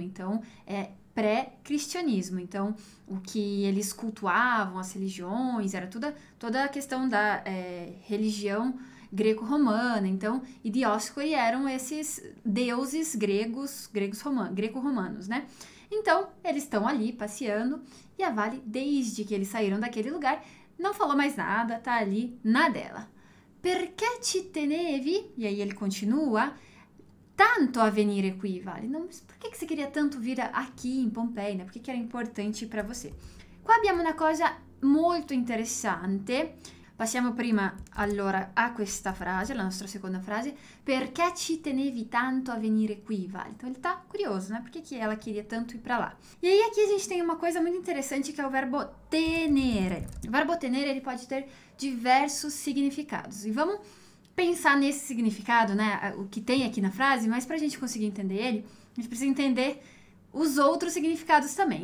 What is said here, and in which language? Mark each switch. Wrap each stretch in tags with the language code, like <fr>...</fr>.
<pt>Então, é pré-cristianismo. Então, o que eles cultuavam, as religiões, era toda a questão da religião greco-romana. Então, e Dioscuri eram esses deuses greco-romanos, né? Então, eles estão ali passeando. E a Vale, desde que eles saíram daquele lugar, não falou mais nada, tá ali na dela.</pt> <it>Perché ci tenevi?</it> <pt>E aí ele continua,</pt> <it>tanto a venire qui, Vale?</it> <pt>Não, mas por que você queria tanto vir aqui em Pompei, né? Por que era importante para você?</pt> <it>Qua abbiamo una cosa molto interessante. Passiamo prima allora a questa frase, la nostra seconda frase. Perché ci tenevi tanto a venire qui, Vale?</it> <pt>Então ele tá curioso, né? Por que ela queria tanto ir para lá? E aí aqui a gente tem uma coisa muito interessante que é o verbo tenere. O verbo tenere ele pode ter diversos significados. E vamos pensar nesse significado, né? O que tem aqui na frase, mas para a gente conseguir entender ele, a gente precisa entender os outros significados também.</pt>